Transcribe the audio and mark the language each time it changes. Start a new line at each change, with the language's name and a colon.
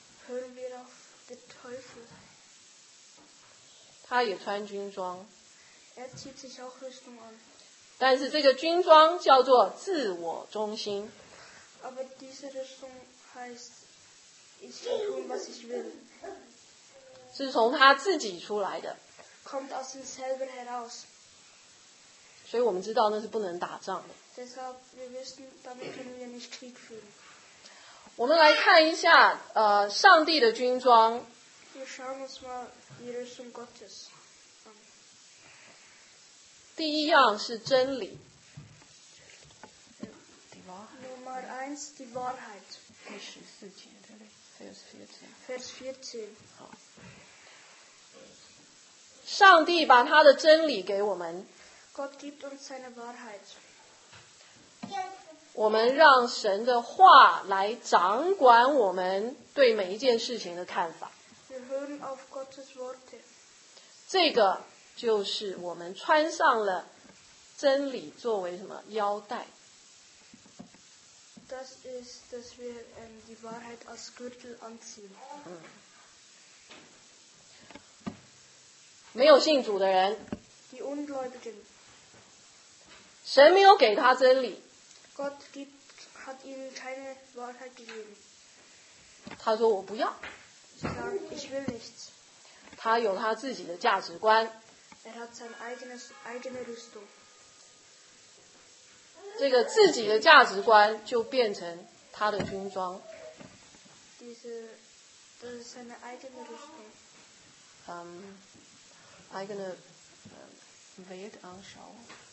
German: Hören wir auf den Teufel.
Chinese: 他也穿军装。
German: Er zieht sich auch Rüstung an.
Chinese: 但是这个军装叫做自我中心。
German: Aber diese Rüstung heißt, ich kann tun, was ich will.
Chinese: 是从他自己出来的。
German: Kommt aus ihm selber heraus.
Chinese: 所以我们知道那是不能打仗的。
German: Deshalb wir wissen, damit können wir nicht Krieg führen.
Chinese: 我们来看一下上帝的军装。
German: Wir schauen uns mal die Rüstung Gottes an.
Chinese: 第一样是真理。
German: Nummer 1, die Wahrheit. Vers 14. Vers 14. Vers 14.
Chinese: 好。上帝把他的真理给我们。
German: Gott gibt uns seine Wahrheit.
Chinese: 我们让神的话来掌管我们对每一件事情的看法。
German: Wir hören auf Gottes Worte.
Chinese: 这个就是我们穿上了真理作为什么腰带。
German: Das ist, dass wir die Wahrheit als Gürtel anziehen.
Chinese: 没有信主的人。
German: Die Ungläubigen.
Chinese: 神没有给他真理。
German: Gott hat ihnen keine Wahrheit gegeben.
Chinese: 他说我不要。
German: Ich will nichts.
Chinese: 他有他自己的价值观。
German: Hat sein eigene Rüstung.
Chinese: 这个自己的价值观就变成他的军装。
German: Das ist seine eigene Rüstung. Eigene Weltanschauung.